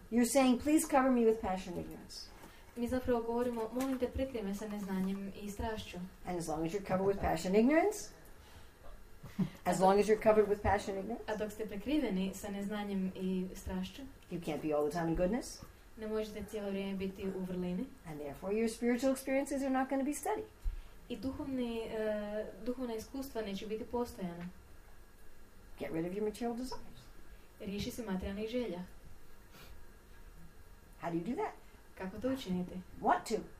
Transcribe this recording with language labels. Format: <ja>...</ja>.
<en>You're saying, please cover me with passion and ignorance.</en> <hr>Mi zapravo govorimo, molim te, prikrij me sa neznanjem i strašću.</hr> <en>And as long as you're covered with passion and ignorance, as long as you're covered with passion and ignorance,</en> <hr>a dok ste prekriveni sa neznanjem i strašću,</hr> <en>you can't be all the time in goodness.</en> <hr>Ne možete cijelo vrijeme biti u vrlini.</hr> <en>And therefore your spiritual experiences are not going to be steady.</en> <hr>I duhovna iskustva neće biti postojana.</hr> <en>Get rid of your material desires.</en> <hr>Riješi se materijalnih želja.</hr> <en>How do you do that?</en> <hr>Kako to učiniti?</hr> <en>Want to.</en>